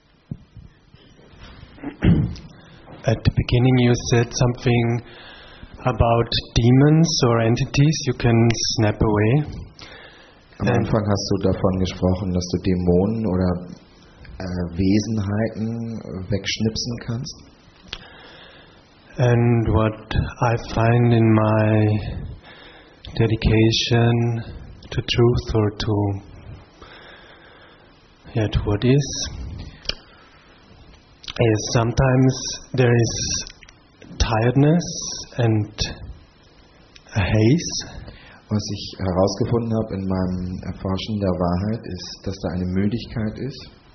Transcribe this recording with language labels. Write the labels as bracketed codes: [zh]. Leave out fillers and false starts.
[en] At the beginning you said something about demons or entities you can snap away. [de] Am Anfang hast du davon gesprochen, dass du Dämonen oder Wesenheiten wegschnipsen kannst. [en] And what I find in my dedication to truth or to what is sometimes there is tiredness and a haze. [de] Was ich herausgefunden habe in meinem Erforschen der Wahrheit, ist, dass da eine Müdigkeit ist.